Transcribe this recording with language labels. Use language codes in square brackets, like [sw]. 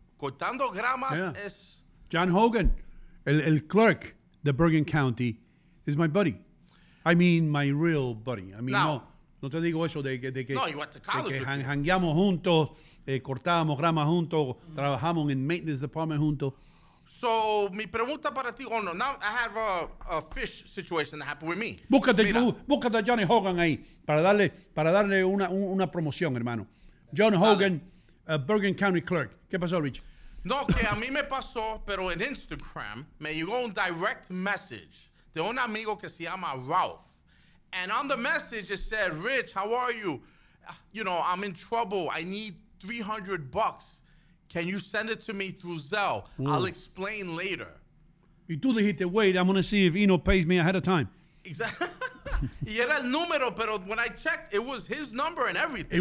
[es] Cortando gramas, yeah. Es... [en] John Hogan, el clerk de Bergen County, is my buddy. I mean, my real buddy. I mean, now, [es] no te digo eso de que [en] no, you went to college. [es] Que jangueamos juntos, cortábamos grama juntos, trabajamos en maintenance department juntos. [en] So, [es] mi pregunta para ti, [en] oh no, now I have a fish situation that happened with me. [es] Búscate a Johnny Hogan ahí para darle una promoción, hermano. John Hogan, Bergen County Clerk. ¿Qué pasó, Rich? No, que a mí me pasó, pero en Instagram me llegó un direct message de un amigo que se llama Ralph. [en] And on the message, it said, Rich, how are you? You know, I'm in trouble. I need $300. Can you send it to me through Zelle? Ooh. I'll explain later. [es] Y tú dijiste, [en] wait, I'm going to see if Ino pays me ahead of time. Exactly. [es] Y era el número, pero [en] when I checked, it was his number and everything.